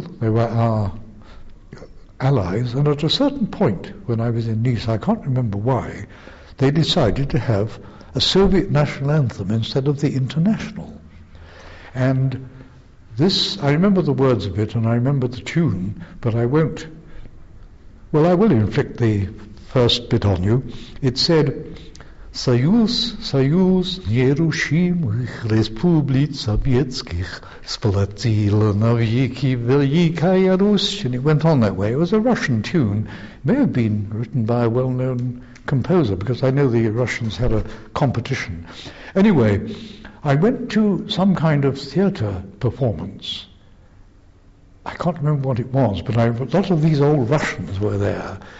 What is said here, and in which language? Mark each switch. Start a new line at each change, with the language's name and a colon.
English: They were our allies. And at a certain point when I was in Nice, I can't remember why, they decided to have a Soviet national anthem instead of the international. And this, I remember the words of it and I remember the tune, but I won't, well, I will inflict the first bit on you. It said,
Russian: Союз, Союз, нерушимых республик советских сплотила навеки великая Русь.
English: And it went on that way. It was a Russian tune. It may have been written by a well-known composer, because I know the Russians had a competition. Anyway, I went to some kind of theatre performance. I can't remember what it was, but a lot of these old Russians were there.